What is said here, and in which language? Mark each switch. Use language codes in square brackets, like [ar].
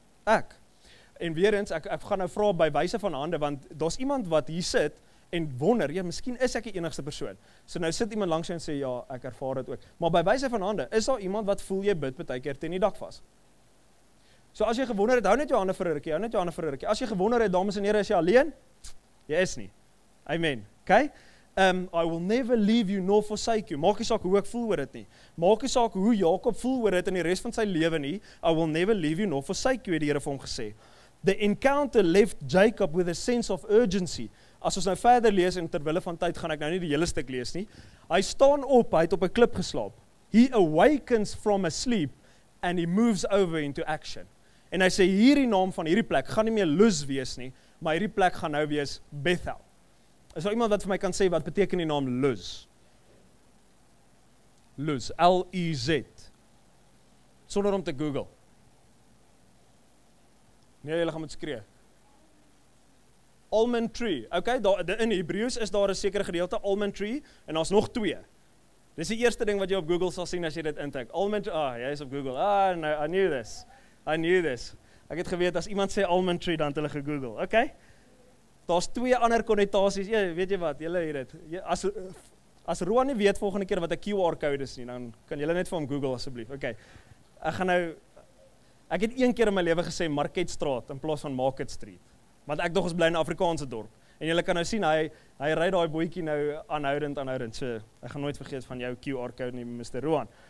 [af] Ek. En weer eens, ek gaan nou vra by wyse van hande, want daar's iemand wat hier sit en wonder, ja, miskien is ek die enigste persoon. So nou sit iemand langs jou en sê, ja, ek ervaar dit ook. Maar by wyse van hande, is daar iemand wat voel jy bid baie keer teen die dak vas? So as jy gewonder het, hou net jou hande vir 'n rukkie. As jy gewonder het, dames en here, is jy alleen? Jy is nie. Amen. Okay? [en] I will never leave you nor forsake you. [af] Maak nie saak hoe ek voel oor dit nie. Maak nie saak hoe Jakob voel oor dit in die res van sy lewe nie. [en] I will never leave you nor forsake you, [af] het die Here vir hom gesê. [en] The encounter left Jacob with a sense of urgency. [af] As ons nou verder lees, en terwille van tyd gaan ek nou nie die hele stuk lees nie. Hy staan op, hy het op 'n klip geslaap. [en] He awakens from a sleep and he moves over into action. [af] En hy sê, hierdie naam van hierdie plek gaan nie meer Luz wees nie, maar hierdie plek gaan nou wees Bethel. Is daar iemand wat vir my kan sê, wat beteken die naam Luz? Luz, L-U-Z. Sonder om te Google. Nee, jylle gaan moet skree. Almond tree. Ok, in Hebreeus is daar een sekere gedeelte, almond tree, en daar is nog twee. Dit is die eerste ding wat jy op Google sal sien as jy dit intik. Almond tree, ah, jy is op Google. [en] Ah, no, I knew this. [af] Ek het geweet, as iemand sê almond tree, dan het hulle gegoogle. Ok. Daar's twee ander konnotasies, ja, weet jy wat, jylle hier het, as Roan nie weet volgende keer wat 'n QR code is nie, dan kan jylle net vir hom Google asseblief, ok, ek het een keer in my leven gesê Marketstraat in plaas van Market Street, want ek dog is bly in 'n Afrikaanse dorp, en jylle kan nou sien, hy ry daai boekie nou aanhoudend, so, ek gaan nooit vergeet van jou QR code nie, Mr. Roan.